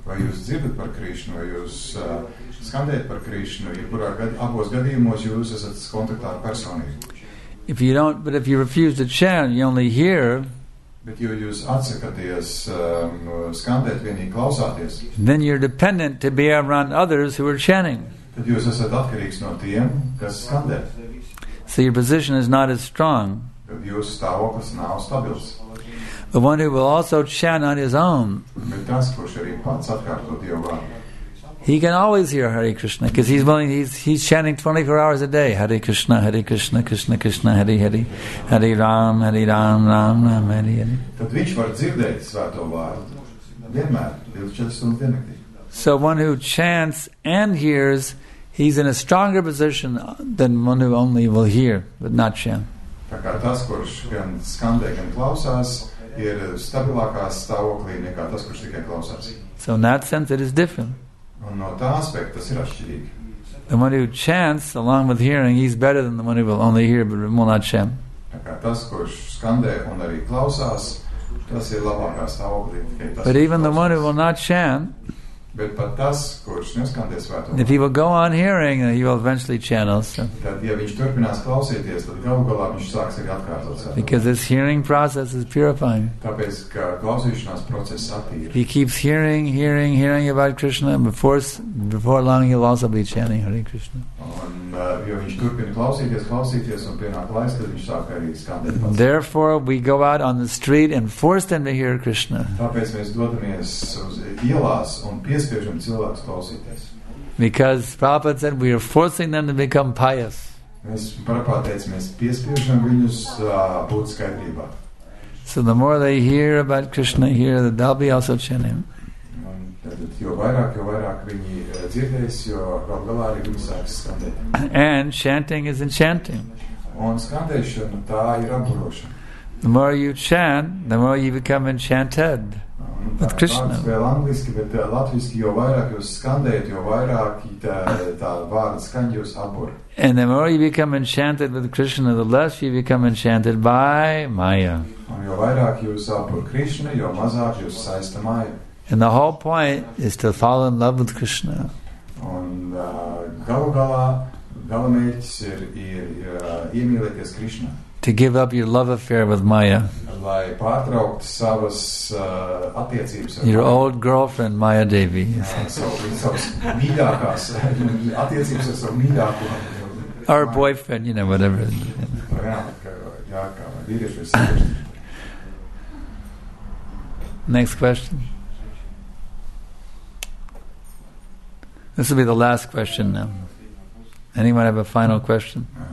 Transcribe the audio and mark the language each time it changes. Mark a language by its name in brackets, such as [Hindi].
[Latvian] Vai jūs dzirdat par Krishna, vai jūs skandējat par Krishna, jebkurā abos gadījumos jūs esat kontaktā ar personību. [English] If you don't, but if you refuse to chant, you only hear. [Latvian] Bet jo jūs atsakaties skandēt vienīgi klausāties. [English] Then you're dependent to be around others who are chanting. [Latvian] Tad jūs esat atkarīgs no tiem, kas skandē. [English] So your position is not as strong. [Latvian] Jūsu stāvoklis nav stabils. [English] The one who will also chant on his own. [Latvian] Bet tas, kurš arī pats atkārtot Dievu vārdu. [English] He can always hear Hare Krishna because he's willing, he's chanting 24 hours a day. [Sanskrit] Hare Krishna, Hare Krishna, Krishna Krishna, Hare Hare, Hare Ram, Hare Ram, Ram Ram, Hare Hare. [Latvian] Tad viņš var dzirdēt svēto vārdu vienmēr, 24 stundas diennaktī. [English] So one who chants and hears, he's in a stronger position than one who only will hear, but not chant. [Latvian] Tā kā tas, kurš gan skandē, gan klausās, ir stabilākās stāvoklī nekā tas, kurš tikai klausās. [English] So in that sense, it is different. [Latvian] Un no tā aspekta tas ir atšķirīgi. [English] The one who chants along with hearing, he's better than the one who will only hear, but will not chant. [Latvian] Tā kā tas, kurš skandē un arī klausās, tas ir labākās stāvoklī. [English] But even the one who will not chant, [Latvian] bet pat tas, kurš neskandē svēto. [English] If he will go on hearing, he will eventually chant also. [Latvian] Tad, ja viņš turpinās klausīties, tad galu galā viņš sāks arī atkārtot svēto. [English] Because this hearing process is purifying. [Latvian] Tāpēc, ka klausīšanās process attīra. [English] He keeps hearing about Krishna, and before long he'll also be chanting Hare Krishna. [Latvian] Un, jo viņš turpina klausīties, un pienāk laiks, tad viņš sāk arī skandēt pats. [English] Therefore, we go out on the street and force them to hear Krishna. [Latvian] Tāpēc mēs dodamies uz ielās un piespiežam cilvēku klausīties. [English] Because Prabhupada said we are forcing them to become pious. [Latvian] Mēs Prabhupada teica, mēs piespiežam viņus būt skaidrībā. [English] So the more they hear about Krishna here, they'll be also chanting. [Latvian] Tad jo vairāk viņi dzirdēs, jo galā arī viņi sāks skandēt. [English] And chanting is enchanting. [Latvian] Un skandēšana tā ir apburošana. [English] The more you chant, the more you become enchanted with Krishna. [Latvian] Vēl angliski, bet latviski, jo vairāk jūs skandējat, jo vairāk tā vārda skaņa jūs apur. [English] And the more you become enchanted with Krishna, the less you become enchanted by Maya. [Latvian] Un jo vairāk jūs apur Krishna, jo mazāk jūs saista Maya. [English] And the whole point is to fall in love with Krishna. [Latvian] Un galu galā, galu mērķis ir iemīlēties Krishna. [English] To give up your love affair with Maya. [Latvian] Lai pārtraukt savas attiecības ar [English] Maya. Your old girlfriend, Maya Devi. [Latvian] Savas mīļākās attiecības ar savu mīļāko. [English] Or boyfriend, you know, whatever. [Latvian] Jā, kā vīrieši ir sievieši. [English] Next question. This will be the last question now. Anyone have a final question?